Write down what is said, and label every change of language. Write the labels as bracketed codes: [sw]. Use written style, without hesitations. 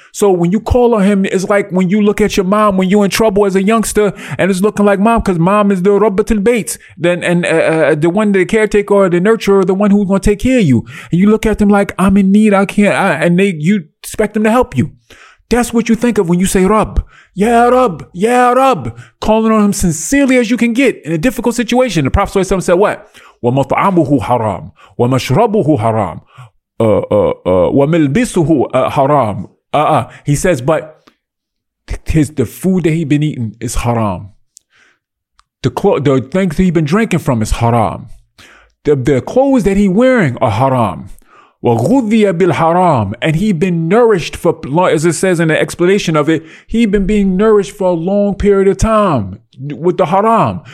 [en] So when you call on him, it's like when you look at your mom when you're in trouble as a youngster and it's looking like mom, because mom is the Rabbatul Bait, the one, the caretaker or the nurturer, the one who's going to take care of you. And you look at them like, I'm in need, you expect them to help you. That's what you think of when you say Rabb. Ya Rabb, Ya Rabb. Calling on him sincerely as you can get in a difficult situation. The Prophet ﷺ said what? [ar] وَمَطْعَمُهُ حَرَامُ وَمَشْرَبُهُ حَرَامُ وَمِلْبِسُهُ حَرَامُ. [en] He says, but the food that he's been eating is haram. The things that he's been drinking from is haram. The clothes that he's wearing are haram. [ar] وَغُذِّيَ بِالْحَرَامِ. [en] And he's been nourished for, as it says in the explanation of it, he's been being nourished for a long period of time with the haram.